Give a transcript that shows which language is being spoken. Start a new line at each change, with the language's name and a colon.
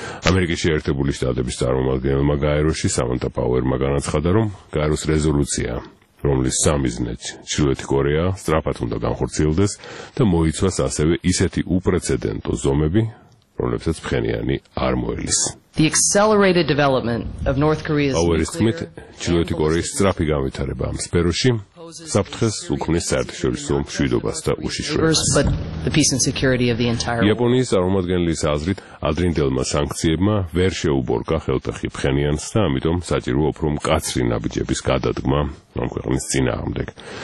Georgian: ამერიკის შეერთებული შტატების წარმომადგენელმა გაეროში სამანთა პაუერმა განაცხადა, რომ გაეროს რეზოლუცია, რომლის სამიზნეც ჩრდილოეთი კორეა სწრაფად უნდა განხორციელდეს და მოიცვას ასევე ისეთი უპრეცედენტო ზომები, რომლებსაც ფხენიანი არ მოელის.
English: The accelerated development of North Korea's nuclear programs.
Georgian: ჩრდილოეთი კორეის სწრაფი განვითარება ამ სფეროში საფრთხეს უქმნის საერთაშორისო მშვიდობას და უშიშროებას. იაპონიის წარმომადგენლის აზრით, ადრინდელმა სანქციებმა ვერ შეუბორკა ხელთაღი ფხენიანს და ამიტომ საჭიროა უფრო მკაცრი ნაბიჯების გადადგმა ამ ქვეყნის წინააღმდეგ.